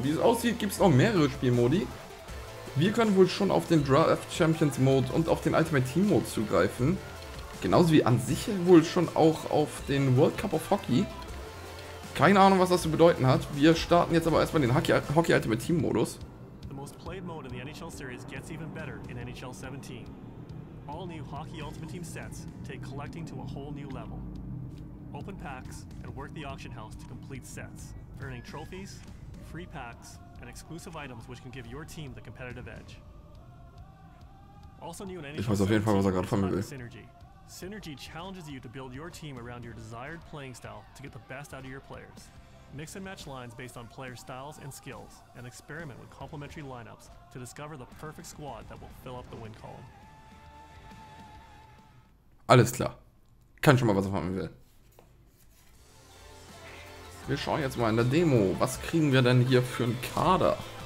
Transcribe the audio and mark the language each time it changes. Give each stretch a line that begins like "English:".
German: Wie es aussieht, gibt es noch mehrere Spielmodi. Wir können wohl schon auf den Draft Champions Mode und auf den Ultimate Team Mode zugreifen. Genauso wie an sich wohl schon auch auf den World Cup of Hockey. Keine Ahnung, was das zu bedeuten hat. Wir starten jetzt aber erstmal den Hockey Ultimate Team Modus.
English: The most played mode in the NHL series gets even better in NHL 17. All new Hockey Ultimate Team sets take collecting to a whole new level. Open packs and work the auction house to complete sets, earning trophies, free packs and exclusive items which can give your team the competitive edge. Also new in NHL 17.
German: Ich weiß auf jeden Fall, was er gerade von mir will.
English: Synergy challenges you to build your team around your desired playing style to get the best out of your players. Mix and match lines based on player styles and skills, and experiment with complementary lineups to discover the perfect squad that will fill up the win column.
German: Alles klar. Kann schon mal, was er von mir will. Wir schauen jetzt mal in der Demo. Was kriegen wir denn hier für einen Kader?